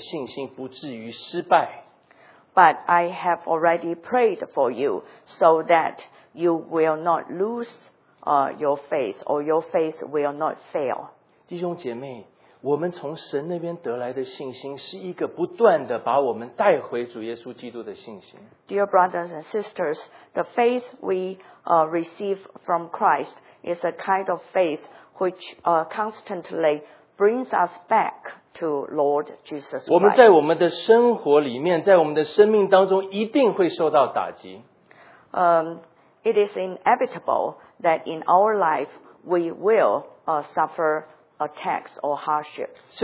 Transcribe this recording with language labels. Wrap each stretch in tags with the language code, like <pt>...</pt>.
<zh>可是我已经为你祈求，使你的信心不至于失败。</zh> <en>But I have already prayed for you so that you will not lose your faith or your faith will not fail.</en> <zh>弟兄姐妹，我们从神那边得来的信心是一个不断的把我们带回主耶稣基督的信心。</zh> <en>Dear brothers and sisters, the faith we receive from Christ is a kind of faith which constantly brings us back to Lord Jesus Christ.</en> <zh>我们在我们的生活里面，在我们的生命当中，一定会受到打击。</zh> <en>It is inevitable that in our life we will suffer attacks or hardships.</en>